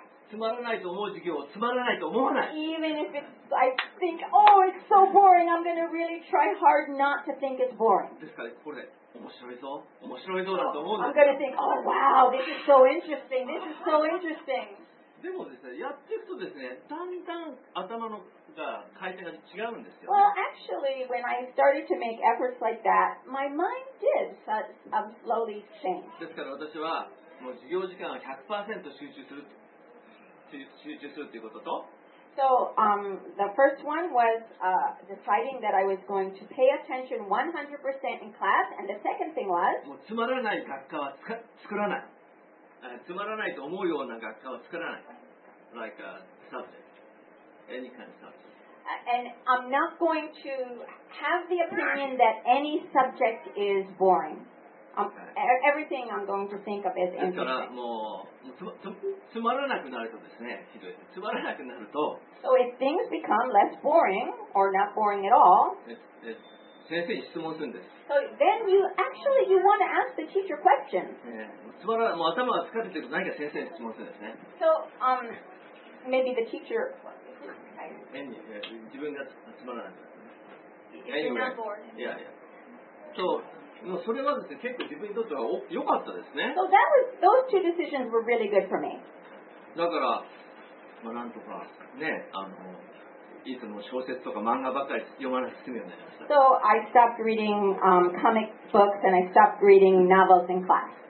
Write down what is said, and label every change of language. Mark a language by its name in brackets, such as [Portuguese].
[Japanese] つまらないと思う授業をつまらないと思わない。 [English] Even if it's, I think, oh, it's so boring, I'm going to really try hard not to think it's boring. [Japanese] ですから、これ、面白いぞだと思うんです。 [English] I'm going to think, oh, wow, this is so interesting, this is so interesting. [Japanese] でもですね、やっていくとですね、だんだん頭の [English] Well, actually, when I started to make efforts like that, my mind did slowly change. [Japanese] ですから私はもう授業時間を 100% 集中するということと、 [English] So, the first one was deciding that I was going to pay attention 100% in class, and the second thing was, [Japanese] もうつまらない学科は作らない。つまらないと思うような学科は作らない。 [English] Like a subject. Any kind of subject. And I'm not going to have the opinion that any subject is boring. Everything I'm going to think of is interesting. [Japanese] ですからもうつまらなくなるとですね、ひどい。つまらなくなると、 [English] So if things become less boring or not boring at all, [Japanese] 先生に質問するんです。 [English] So then you actually you want to ask the teacher questions. [Japanese] つまらもう頭が疲れてると何か先生に質問するんですね。 [English] So maybe the teacher. [Japanese] 自分がつまらない。 [English] Anyway. You're not boring. Yeah, yeah. So. [Japanese] もうそれはですね、結構自分にとっては良かったですね。 [English] So that was, those two decisions were really good for me. [Japanese] だから、まあ、なんとかね、いつも小説とか漫画ばっかり読まなくて済むようになりました。 [English] So I stopped reading, comic books and I stopped reading novels in class.